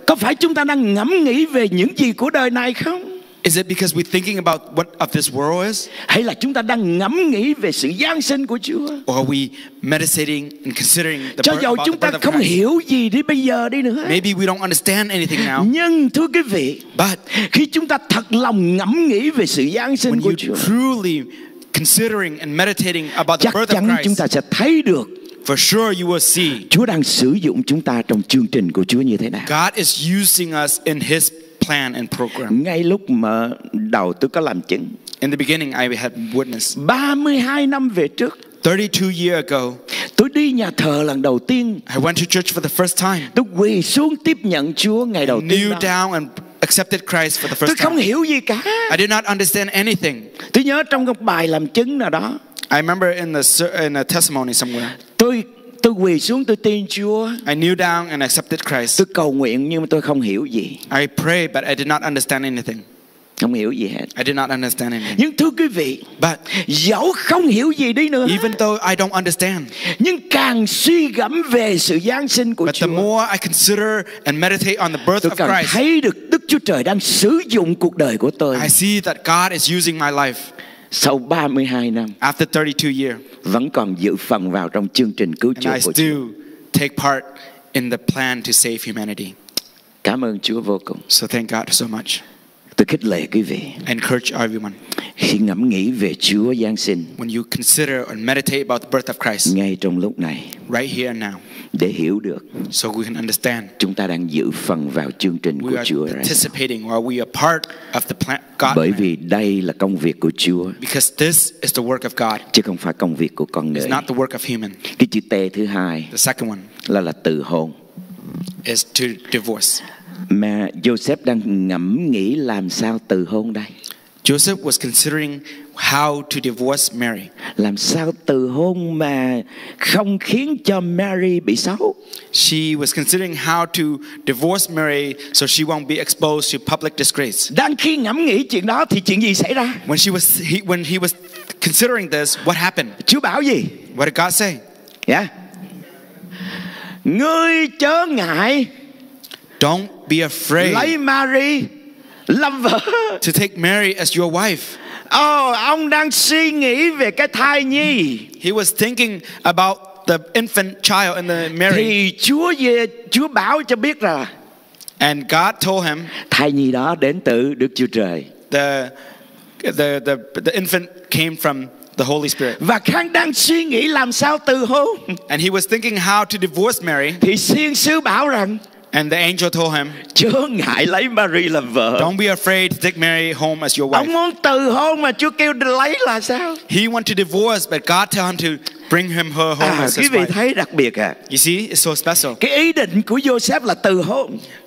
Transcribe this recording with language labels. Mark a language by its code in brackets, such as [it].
[vi] Có phải chúng ta đang ngẫm nghĩ về những gì của đời này không? [en] Is it because we're thinking about what of this world is? [vi] Hay là chúng ta đang ngẫm nghĩ về sự giáng sinh của Chúa? [en] Or are we meditating and considering the birth of Christ? [vi] Cho dù chúng ta không hiểu gì đi bây giờ đi nữa. [en] Maybe we don't understand anything now. [vi] Nhưng thưa quý vị, [en] but [vi] khi chúng ta thật lòng ngẫm nghĩ về sự giáng sinh của Chúa, [en] truly considering and meditating about the birth of Christ, [vi] chúng ta sẽ thấy được. [en] For sure you will see. [vi] Chúa đang sử dụng chúng ta trong chương trình của Chúa như thế nào? [en] God is using us in His plan and program. [vi] Ngay lúc mà đầu tôi có làm chứng. [en] In the beginning I had witness. [vi] 32 năm về trước. [en] 32 years ago. [vi] Tôi đi nhà thờ lần đầu tiên. [en] I went to church for the first time. [vi] Tôi quỳ xuống tiếp nhận Chúa ngày đầu tiên. [en] Kneel down and accepted Christ for the first [vi] time. Tôi không hiểu gì cả. [en] I did not understand anything. [vi] Tôi nhớ trong cái bài làm chứng nào đó. [en] I remember in a testimony somewhere. [vi] Tôi quỳ xuống tôi tin Chúa. [en] I kneel down and accepted Christ. [vi] Tôi cầu nguyện nhưng mà tôi không hiểu gì. [en] I prayed but I did not understand anything. [vi] Không hiểu gì hết. [en] I did not understand anything. [vi] Nhưng thưa quý vị, [en] but [vi] dẫu không hiểu gì đi nữa, [en] even though I don't understand, [vi] nhưng càng suy gẫm về sự giáng sinh của [en] Chúa, but the more I consider and meditate on the birth of Christ, [vi] tôi càng thấy được Đức Chúa Trời đang sử dụng cuộc đời của tôi. [en] I see that God is using my life. [vi] Sau 32 năm, [en] after 32 years, [vi] vẫn còn dự phần vào trong chương trình cứu chuộc của Chúa. [en] And I still take part in the plan to save humanity. [vi] Cảm ơn Chúa vô cùng. [en] So thank God so much. [vi] Tôi khích lệ quý vị. [en] I encourage everyone. [vi] Khi ngẫm nghĩ về Chúa giáng sinh, [en] when you consider and meditate about the birth of Christ, [vi] ngay trong lúc này, [en] right here and now, [vi] để hiểu được, [en] so we can understand, [vi] chúng ta đang dự phần vào chương trình của Chúa. [en] We are participating, or we are part of the plan. [vi] Bởi vì đây là công việc của Chúa. [en] Because this is the work of God. [vi] Chứ không phải công việc của con người. [en] It's not the work of human. [vi] Cái chữ T thứ hai, [en] the second one, [vi] là từ hôn, [en] is to divorce. [vi] Mà Joseph đang ngẫm nghĩ làm sao từ hôn đây. [en] Joseph was considering how to divorce Mary. [vi] Làm sao từ hôn mà không khiến cho Mary bị xấu. [en] She was considering how to divorce Mary so she won't be exposed to public disgrace. [vi] Đang khi ngẫm nghĩ chuyện đó thì chuyện gì xảy ra? [en] When he was considering this, what happened? [vi] Chúa bảo gì? [en] What did God say? [vi] Yeah. Ngươi chớ ngại. [en] Don't be afraid. [vi] Lấy Mary, làm vợ. [en] To take Mary as your wife. [vi] Oh, ông đang suy nghĩ về cái thai nhi. [en] He was thinking about the infant child in the Mary. [vi] Thì Chúa về, Chúa bảo cho biết rồi. [en] And God told him. [vi] Thai nhi đó đến từ Đức Chúa Trời. [en] The infant came from the Holy Spirit. [vi] Và Khang đang suy nghĩ làm sao từ hôn. [en] And he was thinking how to divorce Mary. [vi] Thì Thiên sứ bảo rằng. [en] And the angel told him, [vi] "Chớ ngại lấy Mary làm vợ." [en] Don't be afraid to take Mary home as your wife. [vi] Ông muốn từ hôn mà Chúa kêu lấy là sao? [en] He wanted to divorce, but God told him to bring him her home as his wife. [vi] Quý vị thấy đặc biệt à? [en] You see, it's so special. [vi] Cái ý định của Joseph là từ hôn.